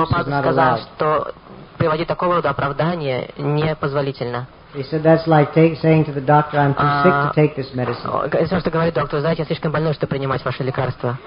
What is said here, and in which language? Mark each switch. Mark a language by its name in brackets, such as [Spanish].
[Russian] Но Прабхупада сказал, что приводить такого рода оправдание непозволительно. [English] He said that's like saying to the doctor, "I'm too sick to take this medicine." [Russian] Это то, что говорит доктор, знаете, я слишком больной, чтобы принимать ваши лекарства.